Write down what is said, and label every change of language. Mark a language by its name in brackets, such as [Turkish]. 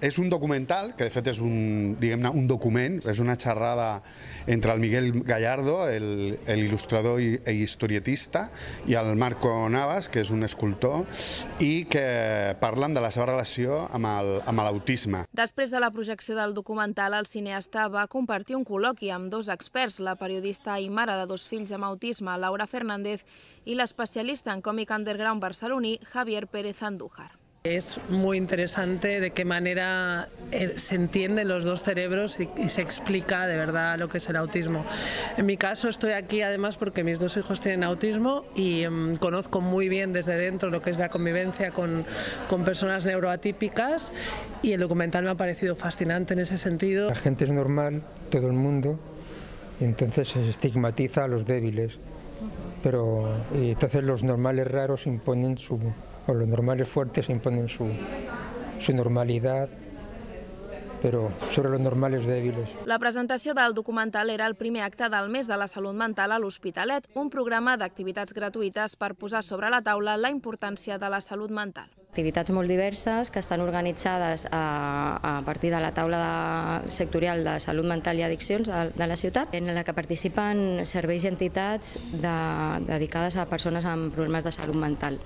[Catalan] És un documental, que de fet és un, diguem-ne, un document, és una xerrada entre el Miguel Gallardo, l'il·lustrador i historietista, i el Marco Navas, que és un escultor, i que parlen de la seva relació amb l'autisme. Després de la projecció del documental, el cineasta va compartir un col·loqui amb dos experts, la periodista i mare de dos fills amb autisme, Laura Fernández, i l'especialista en còmic underground barceloní, Javier Pérez Andújar. [Spanish] Es muy interesante de qué manera se entienden los dos cerebros y se explica de verdad lo que es el autismo. En mi caso estoy aquí además porque mis dos hijos tienen autismo y conozco muy bien desde dentro lo que es la convivencia con personas neuroatípicas y el documental me ha parecido fascinante en ese sentido. La gente es normal, todo el mundo, y entonces se estigmatiza a los débiles, pero y entonces los normales raros imponen su... O los normales fuertes imponen su normalidad, pero sobre los normales débiles. [Catalan] La presentació del documental era el primer acte del mes de la salut mental a l'Hospitalet, un programa d'activitats gratuïtes per posar sobre la taula la importància de la salut mental. Activitats molt diverses que estan organitzades a partir de la taula sectorial de salut mental i addiccions de la ciutat, en la que participen serveis i entitats dedicades a persones amb problemes de salut mental.